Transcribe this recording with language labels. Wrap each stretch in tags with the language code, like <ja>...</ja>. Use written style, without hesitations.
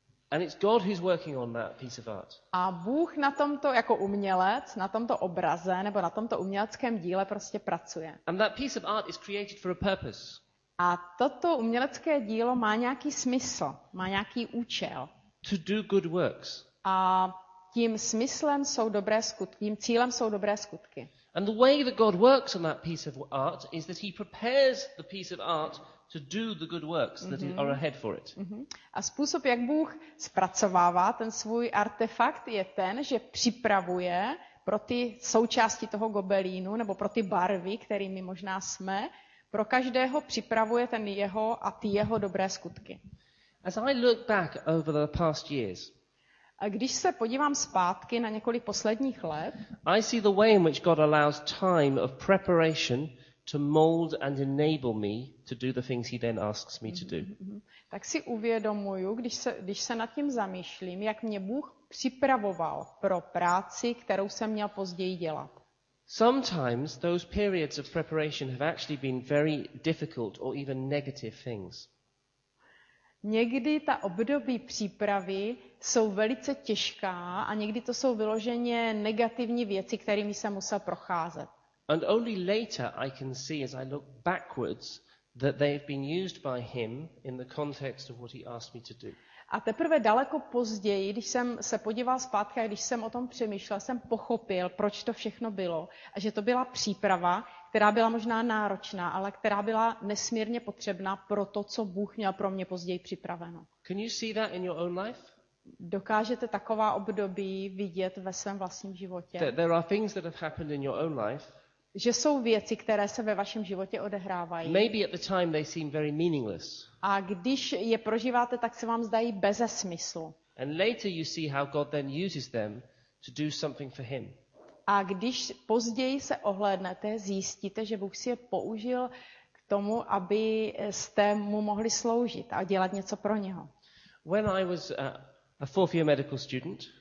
<en>And it's God who's working on that piece of art.</en> <cs>A Bůh na tomto jako umělec, na tomto obraze nebo na tomto uměleckém díle prostě pracuje.</cs> <en>And that piece of art is created for a purpose.</en> <cs>A toto umělecké dílo má nějaký smysl, má nějaký účel.</cs> <en>To do good works.</en> <cs>A tím smyslem jsou dobré skutky, tím cílem jsou dobré skutky.</cs> <en>And the way that God works on that piece of art is that he prepares the piece of art to do the good works that are ahead for it.</en> <cs>A způsob, jak Bůh zpracovává ten svůj artefakt, je ten, že připravuje pro ty součásti toho gobelínu nebo pro ty barvy, kterými možná jsme, pro každého připravuje ten jeho a ty jeho dobré skutky.</cs> <en>As I look back over the past years,</en> <cs>a když se podívám zpátky na několik posledních let,</cs> <en>I see the way in which God allows time of preparation to mold and enable me to do the things he then asks me to do.</en> <cs>Tak si uvědomuju, když se nad tím zamýšlím, jak mě Bůh připravoval pro práci, kterou jsem měl později dělat.</cs> <en>Sometimes those periods of preparation have actually been very difficult or even negative things.</en> <cs>Někdy ta období přípravy jsou velice těžká a někdy to jsou vyloženě negativní věci, kterými jsem musel procházet.</cs> <en>And only later I can see as I look backwards that they've been used by him in the context of what he asked me to do.</en> <cs>A teprve daleko později, když jsem se podíval zpátky, když jsem o tom přemýšlel, jsem pochopil, proč to všechno bylo, a že to byla příprava, která byla možná náročná, ale která byla nesmírně potřebná pro to, co Bůh měl pro mě později připraveno.</cs> <en>Can you see that in your own life?</en> <cs>Dokážete taková období vidět ve svém vlastním životě?</cs> <en>There are things that have happened in your own life.</en> <cs>Že jsou věci, které se ve vašem životě odehrávají.</cs> <en>Maybe at the time they seem very meaningless.</en> <cs>A když je prožíváte, tak se vám zdají beze smyslu.</cs> <en>And later you see how God then uses them to do something for him.</en> <cs>A když později se ohlédnete, zjistíte, že Bůh si je použil k tomu, aby jste mu mohli sloužit a dělat něco pro něho.</cs> <en>When I was a fourth year medical student,</en>